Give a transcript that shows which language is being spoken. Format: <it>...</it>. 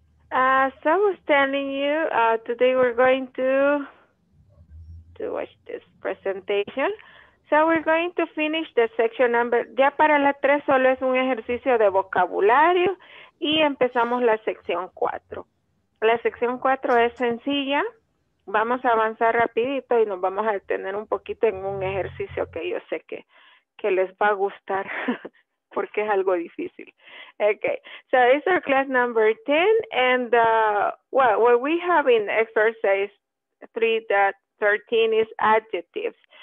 <en>So I was telling you, today we're going to watch this presentation. So we're going to finish the section number.</en> <es>Ya para la 3 solo es un ejercicio de vocabulario y empezamos la sección 4. La sección 4 es sencilla. Vamos a avanzar rapidito y nos vamos a detener un poquito en un ejercicio que yo sé que les va a gustar porque es algo difícil.</es> <en>Okay. So it's our class number 10 and well, what we have in exercise 3.13 is adjectives.</en>